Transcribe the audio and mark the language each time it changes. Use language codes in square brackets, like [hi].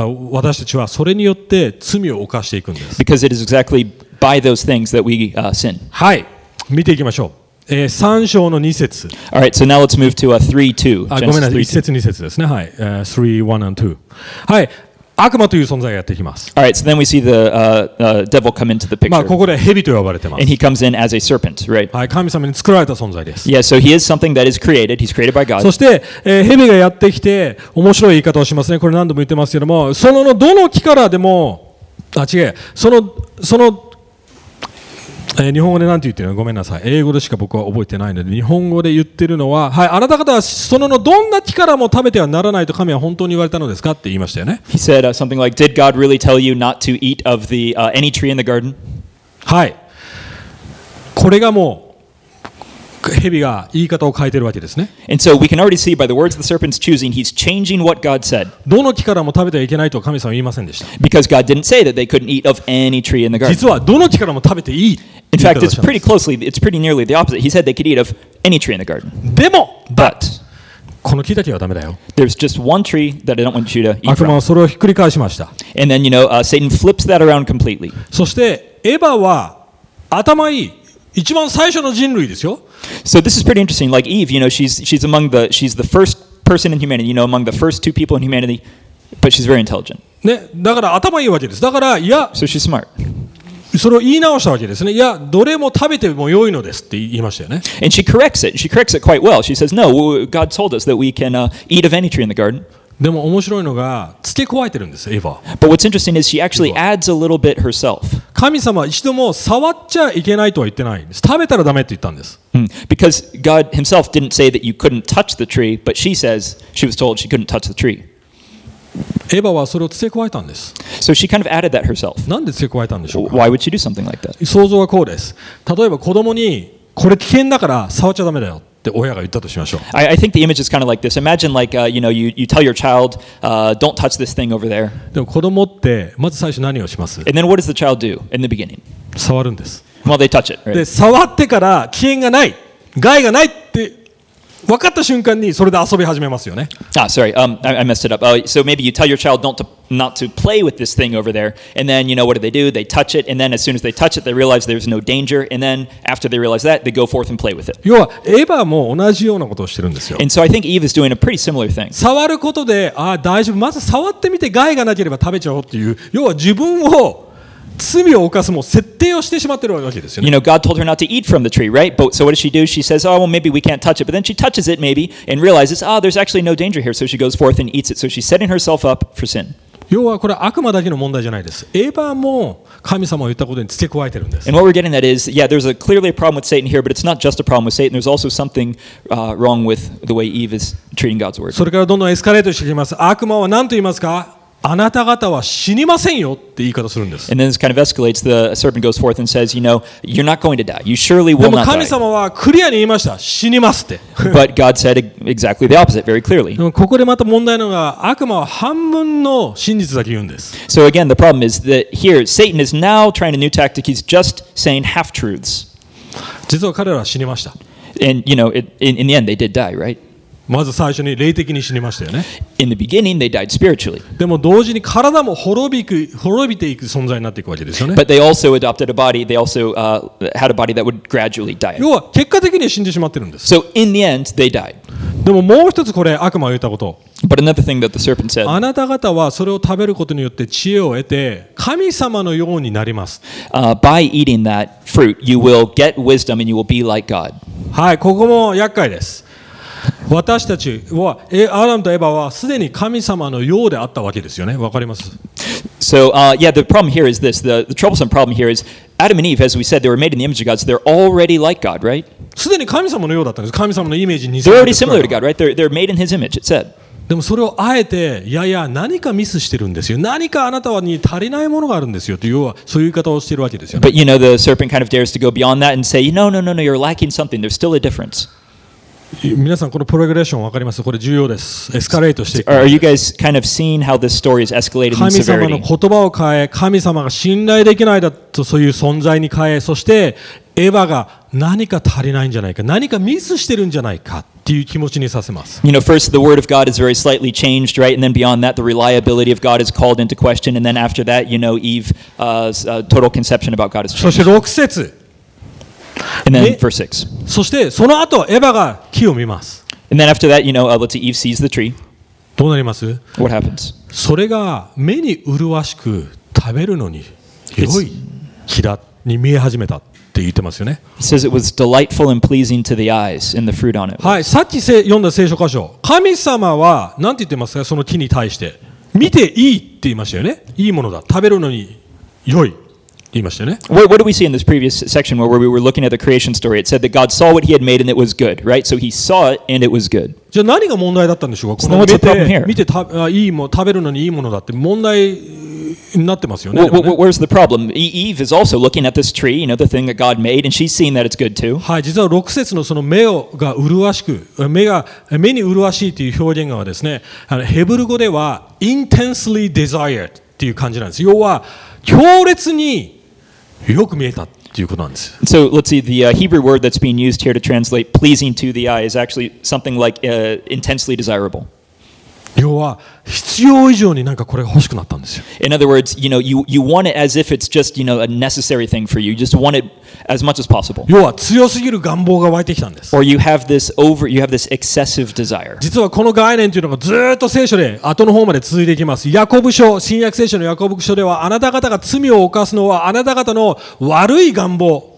[ja] 私たちはそれによって罪を犯していくんです。 [en] Because it is exactly by those things that we sin. [ja] はい、見ていきましょう。三章の二節。 [en] All right, so now let's move to 3:2. [ja] ごめんなさい、一節二節ですね。はい、 [en] 3:1 and 2. [ja] はい。悪魔という存在がやってきます。 [en] All right, so then we see the devil come into the picture. [ja] まあここで蛇と呼ばれてます。 [en] And he comes in as a serpent, right? [ja] はい、神様に作られた存在です。 [en] Yeah, so he is something that is created. He's created by God. [ja] そして、蛇がやってきて面白い言い方をしますね。これ何度も言ってますけども、そのどの木からでも、あ、違う。その、日本語で何て言ってるの？ごめんなさい。英語でしか僕は覚えてないので、日本語で言ってるのは、はい、あなた方はそのどんな木からも食べてはならないと神は本当に言われたのですかって言いましたよね。 [en] He said something like, "Did God really tell you not to eat of the any tree in the garden?" [ja] はい。これがもう蛇が言い方を変えてるわけですね。 [en] And so we can already see by the words the serpent's choosing, he's changing what God said. [ja] どの木からも食べてはいけないと神様は言いませんでした。 [en] Because God didn't say that they couldn't eat of any tree in the garden. [ja] 実はどの木からも食べていい。 [en] In fact, it's pretty closely, it's pretty nearly the opposite. He said they could eat of any tree in the garden. [ja] でも、 [en] but [ja] この木だけはダメだよ。 [en] There's just one tree that I don't want you to eat from. [ja] 悪魔はそれをひっくり返しました。 [en] And then, you know, Satan flips that around completely. [ja] そしてエヴァは頭いい。一番最初の人類ですよ。 [en] So this is pretty interesting. Like Eve, you know, she's the first person in humanity. You know, among the first two people in humanity, but she's very intelligent. [ja] ね、だから頭いいわけです。だからいや、 [en] so she's smart. [ja] それを言い直したわけですね。いや、どれも食べても良いのですって言いましたよね。 [en] And she corrects it. She corrects it quite well. She says, "No, God told us that we can eat of any tree in the garden." [ja] でも面白いのが付け加えてるんです、エヴァ。 [en] But what's interesting is she actually adds a little bit herself. [ja] 神様は一度も触っちゃいけないとは言ってないんです。食べたらダメって言ったんです。 [en] Because God himself didn't say that you couldn't touch the tree, but she says she was told she couldn't touch the tree. [ja] エヴァはそれを付け加えたんです。 [en] So she kind of added that herself. [ja] なんで付け加えたんでしょうか。 [en] Why would she do something like that? [ja] 想像はこうです。例えば子供にこれ危険だから触っちゃダメだよ。 [en] I think the image is kind of like this. Imagine like, you know, you tell your child, don't touch this thing over there. [ja] でも子供ってまず最初何をします? [en] And then what does the child do in the beginning? [ja] 触るんです。 [en] Well, they touch it, right? [ja] で、触ってから危険がない、害がないって分かった瞬間にそれで遊び始めますよね。 [en] Ah, sorry. I messed it up. So maybe you tell your child not to play with this thing over there. And then, you know, what do? They touch it. And then as soon as they touch it, they realize there's no danger. And then after they realize that, they go forth and play with it. [ja] 要は、エヴァも同じようなことをしてるんですよ。 [en] And so I think Eve is doing a pretty similar thing. [ja] 触ることで、ああ、大丈夫。まず触ってみて害がなければ食べちゃおうっていう。要は自分を罪を犯すも設定をしてしまってるわけですよね。 [en] You know, God told her not to eat from the tree, right? But so what does she do? She says, "Oh, well, maybe we can't touch it." But then she touches it, maybe, and realizes, "Oh, there's actually no danger here." So she goes forth and eats it. So she's setting herself up for sin. [ja] 要はこれは悪魔だけの問題じゃないです。エヴァも神様を言ったことに付け加えてるんです。 [en] And what we're getting at is, yeah, there's a clearly a problem with Satan here, but it's not just a problem with Satan. There's also something wrong with the way Eve is treating God's word. [ja] それからどんどんエスカレートしていきます。悪魔は何と言いますか？あなた方は死にませんよって言い方するんです。 [en] And then this kind of escalates. The serpent goes forth and says, you know, you're not going to die. You surely will not die. [ja] でも神様はクリアに言いました。死にますって。 [en] But God said exactly the opposite, very clearly. [ja] ここでまた問題なのが、悪魔は半分の真実だけ言うんです。 [en] So again, the problem is that here, Satan is now trying a new tactic. He's just saying half-truths. [ja] 実は彼らは死にました。 [en] And you know, in the end, they did die, right? [ja] まず最初に霊的に死にましたよね。 [en] In the beginning, they died spiritually. [ja] でも同時に体も滅びていく存在になっていくわけですよね。 [en] But they also adopted a body. They also had a body that would gradually die. [ja] 要は結果的に死んでしまってるんです。 [en] So in the end, they died. [ja] でももう一つこれ悪魔が言ったこと。 [en] But another thing that the serpent said. [ja] あなた方はそれを食べることによって知恵を得て神様のようになります。 [en] By eating that fruit, you will get wisdom and you will be like God. [ja] はい、ここも厄介です。私たちはアダムとエヴァはすでに神様のようであったわけですよね。わかります。 [en] So, yeah, the problem here is this. The troublesome problem here is Adam and Eve, as we said, they were made in the image of God, so they're already like God, right? [ja] すでに神様のようだったんです。神様のイメージに [en] They're already similar to God, right? They're made in His image, it said. [ja] でもそれをあえて、いやいや、何かミスしてるんですよ。何かあなたに足りないものがあるんですよ。というはそういう言い方をしているわけですよね。 [en] But you know, the serpent kind of dares to go beyond that and say, no, you're lacking something. There's still a difference. [ja] 皆さんこのプログレッションわかります？これ重要です。エスカレートしていく。 [en] Are you guys kind of seeing how this story is escalated in severity? [ja] 神様の言葉を変え、神様が信頼できないだとそういう存在に変え、そしてエヴァが何か足りないんじゃないか、何かミスしてるんじゃないかっていう気持ちにさせます。 [en] You know, first the word of God is very slightly changed, right? And then beyond that, the reliability of God is called into question. And then after that, you know, Eve, total conception about God is changed. [ja] そして6節。 [en] And then verse 6. [ja] そしてその後エヴァが木を見ます。 [en] And then after that, you know, let's see, Eve sees the tree. [ja] どうなります? [en] What happens? [ja] それが目に麗しく食べるのに良い木だに見え始めたって言ってますよね。 [en] It says it was delightful and pleasing to the eyes and the fruit on it. [ja] はい、さっき読んだ聖書箇所。神様は何て言ってますか、その木に対して。見ていいって言いましたよね。いいものだ。食べるのに良い。 [en] What did we see in this previous section where we were looking at the creation story? It said that God saw what He had made and it was good, right? So He saw it and it was good. [ja] じゃあ何が問題だったんでしょうか? [en] So what's the problem here? [ja] 見て食べるのにいいものだって問題になってますよね。 [en] Where's the problem? Eve is also looking at this tree, you know, the thing that God made, and she's seeing that it's good too. [ja] はい、実は6節のその目をが麗しく、目に麗しいという表現がですね、ヘブル語では [en] intensely desired [ja] っていう感じなんです。要は強烈によく見えたっていうことなんです。 [en] So let's see, the Hebrew word that's being used here to translate pleasing to the eye is actually something like intensely desirable. [ja] 要は必要以上になんかこれが欲しくなったんですよ。 [en] In other words, you know, you want it as if it's just, you know, a necessary thing for you. You just want it as much as possible. [ja] 要は強すぎる願望が湧いてきたんです。 [en] Or you have this excessive desire. [ja] 実はこの概念というのがずっと聖書で後の方まで続いていきます。ヤコブ書、新約聖書のヤコブ書ではあなた方が罪を犯すのはあなた方の悪い願望。